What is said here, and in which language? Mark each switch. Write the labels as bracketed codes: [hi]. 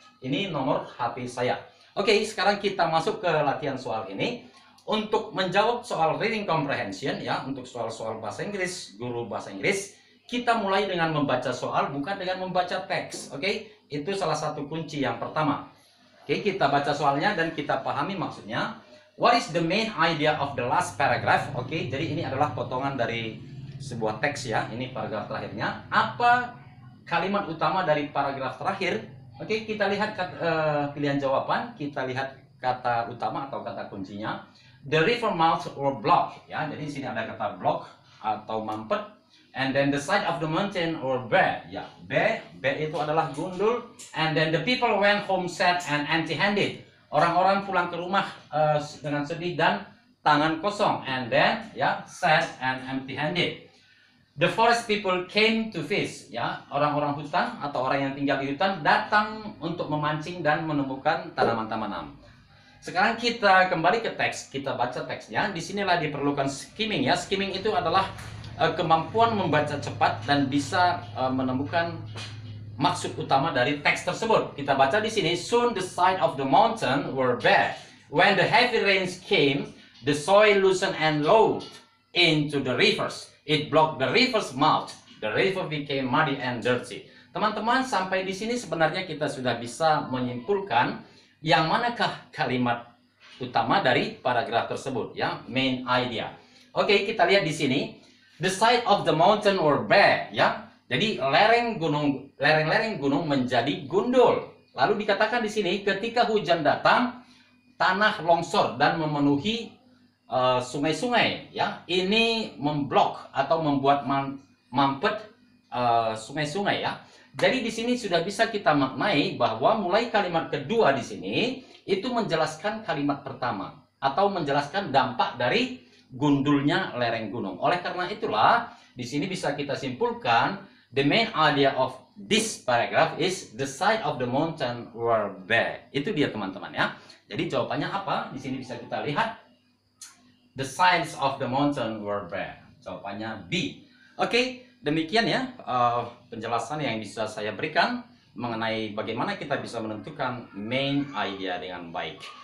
[id] Ini nomor HP saya. Oke, sekarang kita masuk ke latihan soal ini. Untuk menjawab soal reading comprehension, ya, untuk soal-soal bahasa Inggris, guru bahasa Inggris, kita mulai dengan membaca soal, bukan dengan membaca teks. Oke, itu salah satu kunci yang pertama. Oke, kita baca soalnya dan kita pahami maksudnya. [en] What is the main idea of the last paragraph? [id] Oke, jadi ini adalah potongan dari sebuah teks, ya. Ini paragraf terakhirnya. Apa kalimat utama dari paragraf terakhir? Oke, kita lihat pilihan jawaban. Kita lihat kata utama atau kata kuncinya. [en] The river mouth or block, [id] ya. Jadi di sini ada kata block atau mampet. [en] And then the side of the mountain or bear, ya. [id] Bear itu adalah gundul. [en] And then the people went home sad and empty-handed. [id] Orang-orang pulang ke rumah dengan sedih dan tangan kosong. [en] And then, ya, sad and empty-handed. The forest people came to fish, ya. [id] Orang-orang hutan atau orang yang tinggal di hutan datang untuk memancing dan menemukan tanaman-tanaman. Sekarang kita kembali ke teks, kita baca teksnya. Di sinilah diperlukan skimming, ya. Skimming itu adalah kemampuan membaca cepat dan bisa menemukan maksud utama dari teks tersebut. Kita baca di sini, [en] soon the side of the mountain were bare. When the heavy rains came, the soil loosened and rolled into the rivers. It blocked the river's mouth. The river became muddy and dirty. [id] Teman-teman, sampai di sini sebenarnya kita sudah bisa menyimpulkan yang manakah kalimat utama dari paragraf tersebut, ya, main idea. Oke, kita lihat di sini, [en] the side of the mountain were bare, ya. [id] Jadi lereng-lereng gunung menjadi gundul. Lalu dikatakan di sini, ketika hujan datang, tanah longsor dan memenuhi sungai-sungai, ya. Ini memblok atau membuat mampet sungai-sungai, ya. Jadi di sini sudah bisa kita maknai bahwa mulai kalimat kedua di sini itu menjelaskan kalimat pertama atau menjelaskan dampak dari gundulnya lereng gunung. Oleh karena itulah di sini bisa kita simpulkan [en] the main idea of this paragraph is the side of the mountain were bare. [id] Itu dia teman-teman, ya. Jadi jawabannya apa? Di sini bisa kita lihat [en] the sides of the mountain were bare. [id] Jawabannya B. Oke. Demikian, ya, penjelasan yang bisa saya berikan mengenai bagaimana kita bisa menentukan main idea dengan baik.